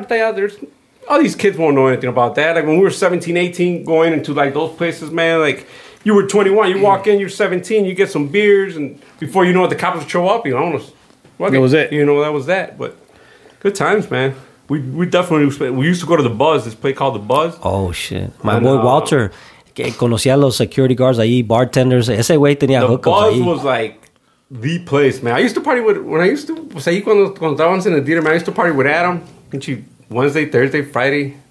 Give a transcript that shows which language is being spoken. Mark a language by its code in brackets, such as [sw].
[en] There's all these kids won't know anything about that. Like when we were 17, 18, going into like those places, man. Like. You were 21, you walk in, you're 17, you get some beers, and before you know it, the cops would show up, you know, almost. That was it. You know, that was that, but good times, man. We used to go to the Buzz, this place called the Buzz. Oh, shit. My boy [es] Walter, que conocía a los security guards ahí, bartenders, ese güey tenía hookups ahí. [en] The Buzz was like the place, man. I used to party with Adam, Wednesday, Thursday, Friday.